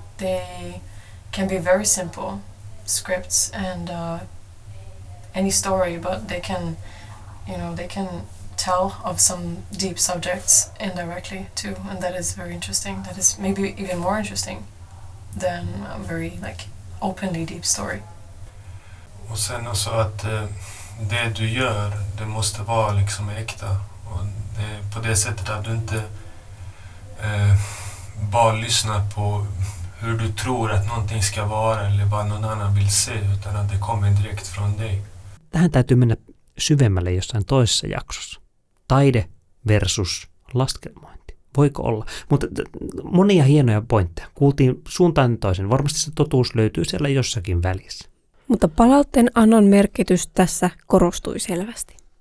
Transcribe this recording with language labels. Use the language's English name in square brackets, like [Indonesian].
[English] They can be very simple scripts and any story, but they can, you know, they can tell of some deep subjects indirectly too, and that is very interesting. That is maybe even more interesting than a very like openly deep story. [Swedish] Och sen också att det du gör, det måste vara liksom äkta. Och det, på det sättet att du inte bara lyssnar på hur du tror att någonting ska vara eller vad någon annan vill se, utan att det kommer direkt från dig. [Finnish] Tähän täytyy mennä syvemmälle jossain toisessa jaksossa. Taide versus laskelmointi. Voiko olla? Mutta monia hienoja pointteja. Kuultiin suuntaan toisen. Varmasti se totuus löytyy siellä jossakin välissä. Mutta palautteen annon merkitys tässä korostui selvästi.